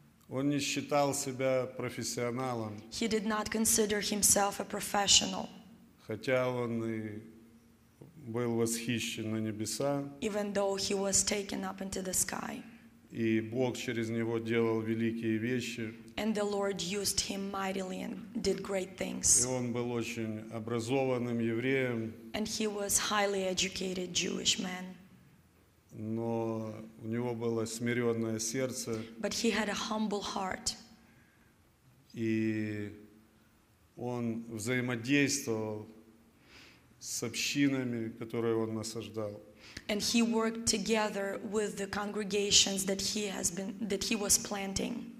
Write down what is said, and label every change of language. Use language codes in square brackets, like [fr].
[ru] Он не считал себя профессионалом. [en] He did not consider himself a professional. [ru] Хотя он и был восхищен на небеса. [en] Even though he was taken up into the sky. [ru] И Бог через него делал великие вещи. [en] And the Lord used him mightily and did great things. [ru] И он был очень образованным евреем. [en] And he was highly educated Jewish man. [ru] Но у него было смиренное сердце. [en] But he had a humble heart. [ru] И он взаимодействовал с общинами, которые он насаждал. [en] And he worked together with the congregations that he has been, that he was planting.